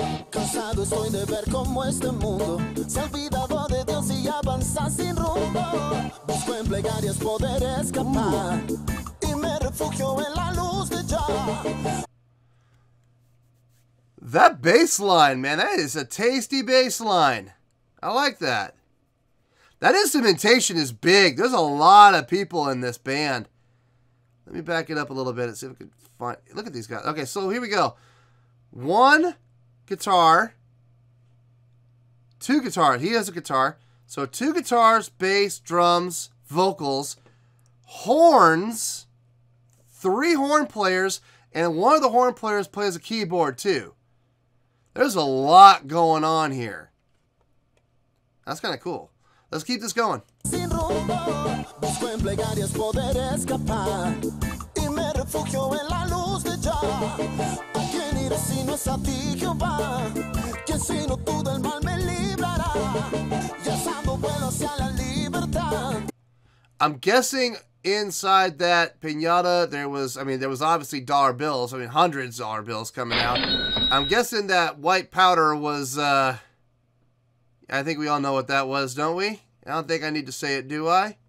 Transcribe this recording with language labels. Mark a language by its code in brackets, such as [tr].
[es] Cansado estoy de ver cómo este mundo se ha olvidado de Dios y avanza sin rumbo. Busco en plegarias poder escapar y me refugio en la luz de Jah. [en] That bass line, man, that is a tasty bass line. I like that. That instrumentation is big. There's a lot of people in this band. Let me back it up a little bit and see if I can find... Look at these guys. Okay, so here we go. One guitar. Two guitars. He has a guitar. So two guitars, bass, drums, vocals, horns, three horn players, and one of the horn players plays a keyboard too. There's a lot going on here. That's kind of cool. Let's keep this going. [es] Sin rumbo, busco en plegarias poder escapar. Y me refugio en la luz de Jah. ¿A quién iré si no es a ti, Jehová? ¿Quién si no tú del mal me librará? Y alzando vuelo hacia la libertad. [en] I'm guessing inside that piñata, there was obviously dollar bills. I mean, hundreds of dollar bills coming out. I'm guessing that white powder was, I think we all know what that was, don't we? I don't think I need to say it, do I?